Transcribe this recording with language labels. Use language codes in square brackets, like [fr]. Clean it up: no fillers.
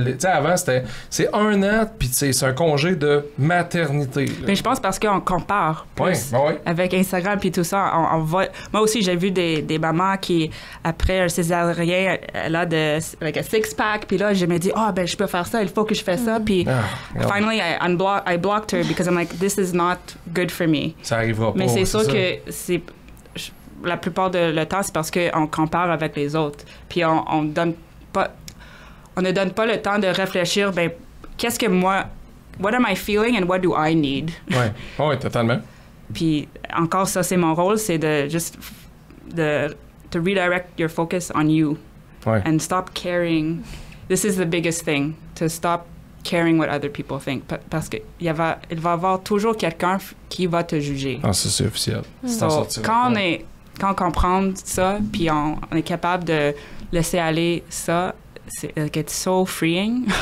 [fr] Tu sais, avant, c'était, c'est un an, puis c'est un congé de maternité. Mais je pense parce qu'on compare plus avec Instagram, puis tout ça. On voit, moi aussi, j'ai vu des mamans qui, après un césarien, elle a avec un six-pack, puis là, je me dis, ben je peux faire ça, il faut que je fasse ça. [en] Puis finally, I blocked her, because I'm like, this is not good for me. [fr] Ça arrivera pas. Mais c'est sûr que c'est... La plupart de le temps, c'est parce qu'on compare avec les autres. Puis on ne donne pas le temps de réfléchir, ben, qu'est-ce que moi, what am I feeling and what do I need? Oui, oui, totalement. Puis encore, ça, c'est mon rôle, c'est de juste to redirect your focus on you. Ouais. [en] And stop caring. This is the biggest thing, to stop caring what other people think. [fr] Parce qu'il va y avoir toujours quelqu'un qui va te juger. Ah, ça, c'est officiel. Quand on comprend ça, puis on est capable de laisser aller ça, c'est so freeing.